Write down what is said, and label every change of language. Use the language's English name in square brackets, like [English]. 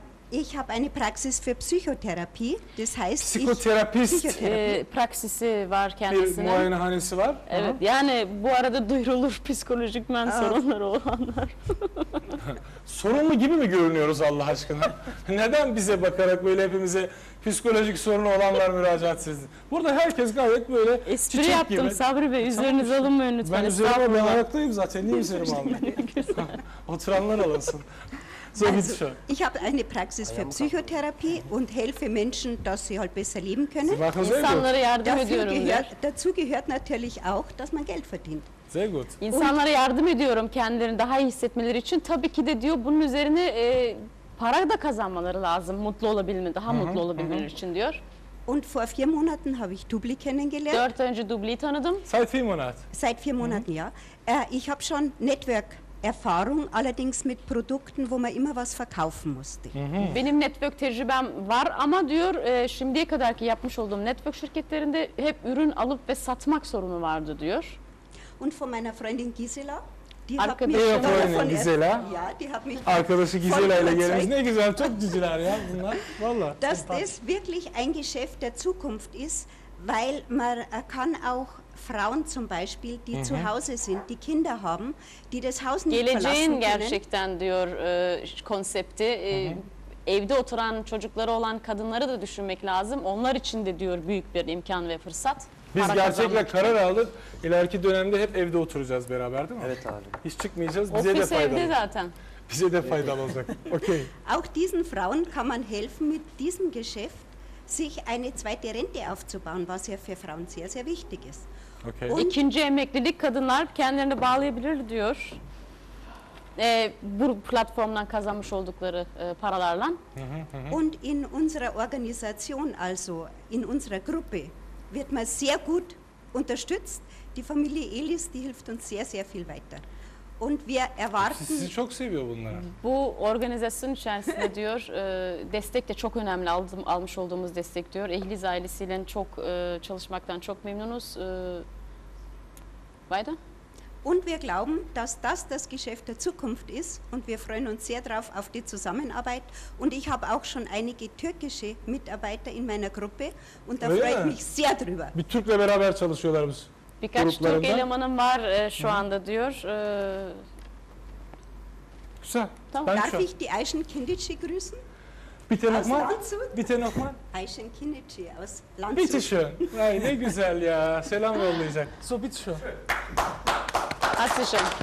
[German] Ich habe eine Praxis für Psychotherapie. Das heißt, [English] Psychotherapist. [Turkish] Praxisi var kendisine. Bir muayenehanesi var. Evet, yani bu arada duyurulur psikolojikmen sorunları olanlar. Sorunlu gibi mi görünüyoruz Allah aşkına? Neden bize bakarak böyle hepimize psikolojik sorunu olanlar müracaat siz? Burada herkes gayet böyle espri çiçek yaptım gibi. Sabri Bey, üzerinize alınmayın lütfen. Ben üzerime ben ayaktayım zaten. Niye üzerime almayayım? Oturanlar alınsın. [German] Also, ich habe eine Praxis für Psychotherapie und helfe Menschen, dass sie halt besser leben können. [Turkish] İnsanlara yardım ediyorum. [German] Dazu gehört natürlich auch, dass man Geld verdient. Sehr gut. [Turkish] İnsanlara yardım ediyorum kendilerini daha iyi hissetmeleri için. Tabii ki de diyor bunun üzerine para da kazanmaları lazım. Mutlu olabilmeleri, daha mutlu olabilmeleri için diyor. [German] Und vor vier Monaten habe ich Dubli kennengelernt. [Turkish] 4 önce Dubli tanıdım. [German] Seit 4 Monaten. Seit 4 Monaten, ja. Ich habe schon Network Erfahrung allerdings mit Produkten, wo man immer was verkaufen musste. [Turkish] Benim network tecrübem var ama diyor şimdiye kadarki yapmış olduğum network şirketlerinde hep ürün alıp ve satmak sorunu vardı diyor. [German] Und von meiner Freundin Gisela, die Gisela. Ja, die hat mich [Turkish] arkadaşı Gisela ile gelmiş. Ne güzel, çok güzeller ja, bunlar. Vallahi. [German] Dass das wirklich ein Geschäft der Zukunft ist, weil man kann auch Frauen zum Beispiel, die zu Hause sind, die Kinder haben, die das Haus nicht [Turkish] geleceğin [German] verlassen können. [Turkish] Diyor, konsepti, evde oturan çocukları olan kadınları da düşünmek lazım. Onlar için de diyor büyük bir imkan ve fırsat. Biz gerçekle karar aldık. İleriki dönemde hep evde oturacağız beraber değil mi? Evet abi. Hiç çıkmayacağız. Bize Ofis de faydalı. Evde zaten. Bize de faydalı olacak. Okay. [German] Auch diesen Frauen kann man helfen mit diesem Geschäft, sich eine zweite Rente aufzubauen, was ja für Frauen sehr sehr wichtig ist. [English] Okay. [Turkish] Und ikinci emeklilik kadınlar kendilerini bağlayabilir diyor. Bu platformdan kazanmış oldukları paralarla. [German] Und in unserer Organisation also in unserer Gruppe wird man sehr gut unterstützt. Die Familie Elis, die hilft uns sehr sehr viel weiter. Und wir erwarten [Turkish] Sizi çok seviyor bunları. Bu organizasyon içerisinde diyor destek de çok önemli almış olduğumuz destek diyor. Ehliz ailesiyle çok çalışmaktan çok memnunuz. [German] Weiter? Und wir glauben, dass das das Geschäft der Zukunft ist und wir freuen uns sehr drauf auf die Zusammenarbeit und ich habe auch schon einige türkische Mitarbeiter in meiner Gruppe und da freue ich mich sehr drüber. [Turkish] Bir Türk'le beraber çalışıyorlar biz. Birkaç Türk elemanım var şu anda diyor. Güzel. Tamam. Ben [German] Darf ich die Ayşen Kindici grüßen? Bitte nochmal. Bitte nochmal. Ayşen Kindici aus Landshut. Bitte schön. [Turkish] Ay, ne güzel ya. Selam yollayacak. [German] So bitte schön. [Turkish] Hadi schön.